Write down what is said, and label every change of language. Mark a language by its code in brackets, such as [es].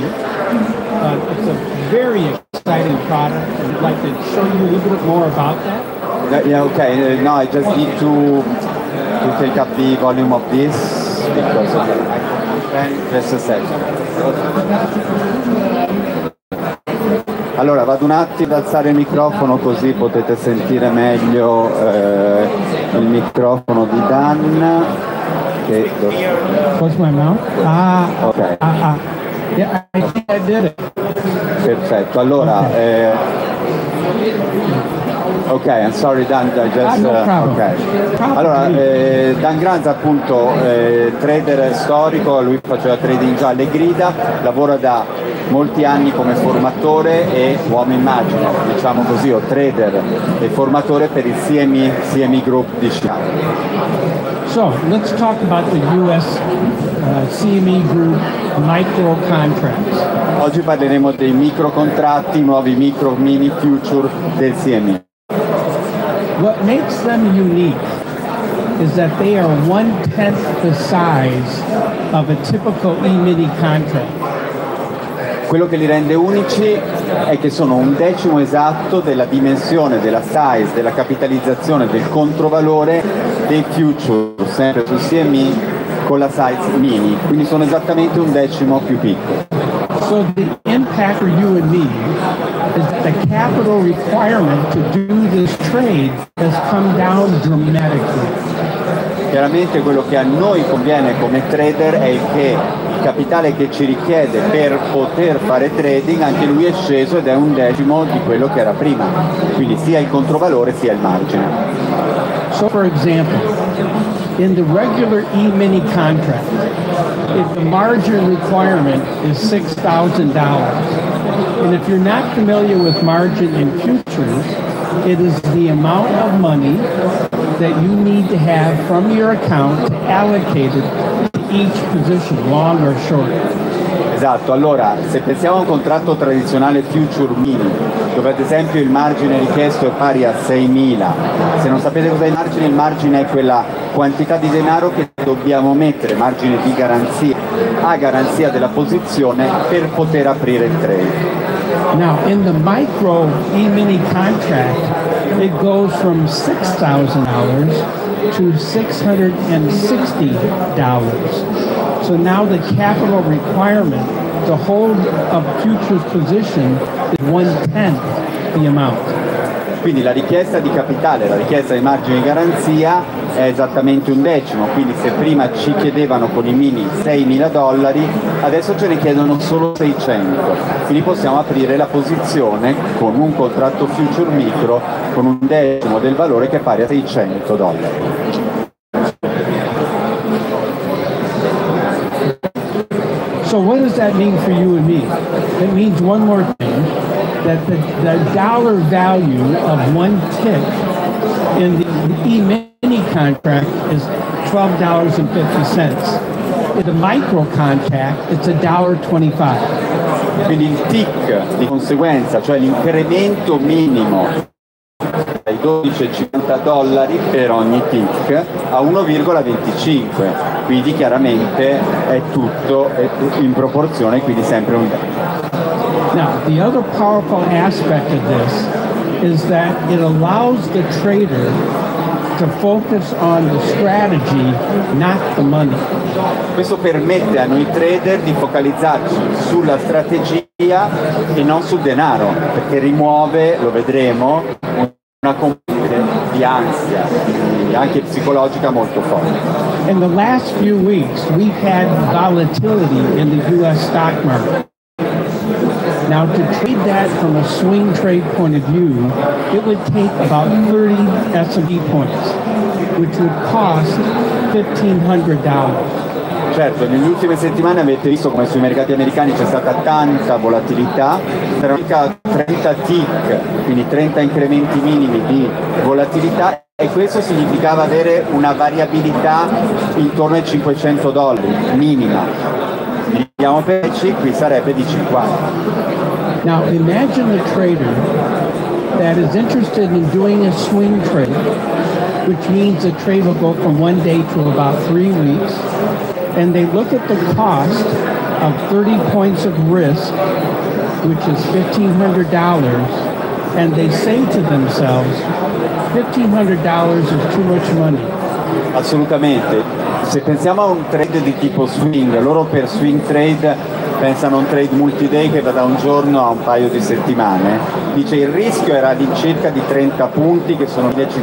[en] It's a very exciting product. I'd like to show you a little bit more about that. I just need to take up the volume of this because of the just a second. [it] Allora, vado un attimo ad alzare il microfono così potete sentire meglio il microfono di Dan. [en] Che... Close my mouth. Ah, ok. Yeah, I think I did it. [it] Perfetto, allora... [en] Ok, I'm sorry Dan, I just... Okay. [it] Allora, Dan Gramza appunto, trader storico, lui faceva trading già alle grida, lavora da molti anni come formatore e uomo immagine, diciamo così, o trader e formatore per il CME Group di Chicago. [en] So, let's talk about the US CME Group micro contracts. [it] Oggi parleremo dei micro contratti, nuovi micro mini future del CME. [en] What makes them unique is that they are one-tenth the size of a typical e-mini contract. [it] Quello che li rende unici è che sono un decimo esatto della dimensione, della size, della capitalizzazione, del controvalore dei futures, sempre su CME, con la size mini. Quindi sono esattamente un decimo più piccolo. [en] So the impact for you and me is that the capital requirement to do this trade has come down dramatically. [it] Chiaramente quello che a noi conviene come trader è che il capitale che ci richiede per poter fare trading anche lui è sceso ed è un decimo di quello che era prima, quindi sia il controvalore sia il margine. [en] So for example, in the regular e-mini contract, if the margin requirement is $6,000, and if you're not familiar with margin in futures, it is the amount of money that you need to have from your account allocated to each position, long or short. [it] Esatto, allora se pensiamo a un contratto tradizionale future mini, dove ad esempio il margine richiesto è pari a 6.000, se non sapete cos'è il margine è quella quantità di denaro che dobbiamo mettere, margine di garanzia, a garanzia della posizione per poter aprire il trade. [en] Now, in the micro e-mini contract, it goes from $6,000 to $660. So now the capital requirement to hold a futures position is one-tenth the amount. [it] Quindi la richiesta di capitale, la richiesta di margine di garanzia è esattamente un decimo, quindi se prima ci chiedevano con i mini $6,000, adesso ce ne chiedono solo 600, quindi possiamo aprire la posizione con un contratto future micro con un decimo del valore che è pari a $600. [en] So what does that mean for you and me? It means one more thing, that the dollar value of one tick in the e-mini contract is $12.50. In the micro contract, it's $1.25. [it] Quindi il tick di conseguenza, cioè l'incremento minimo dai $12.50 per ogni tick a 1,25, quindi chiaramente è tutto in proporzione, quindi sempre un... [en] Now, the other powerful aspect of this is that it allows the trader to focus on the strategy, not the money. [it] Questo permette a noi trader di focalizzarci sulla strategia e non sul denaro, perché rimuove, lo vedremo, una componente di ansia, anche psicologica, molto forte. [en] In the last few weeks, we've had volatility in the U.S. stock market. Now, to trade that from a swing trade point of view, it would take about 30 S&P points, which would cost $1,500. [it] Certo, nelle ultime settimane avete visto come sui mercati americani c'è stata tanta volatilità, per circa 30 tick, quindi 30 incrementi minimi di volatilità, e questo significava avere una variabilità intorno ai $500, minima. Diamo per qui sarebbe di 50. [en] Now imagine the trader that is interested in doing a swing trade, which means a trade will go from one day to about 3 weeks, and they look at the cost of 30 points of risk, which is $1,500, and they say to themselves, $1,500 is too much money. [it] Assolutamente. Se pensiamo a un trade di tipo swing, loro per swing trade pensano a un trade multi-day che va da un giorno a un paio di settimane. Dice il rischio era di circa di 30 punti, che sono $1,500.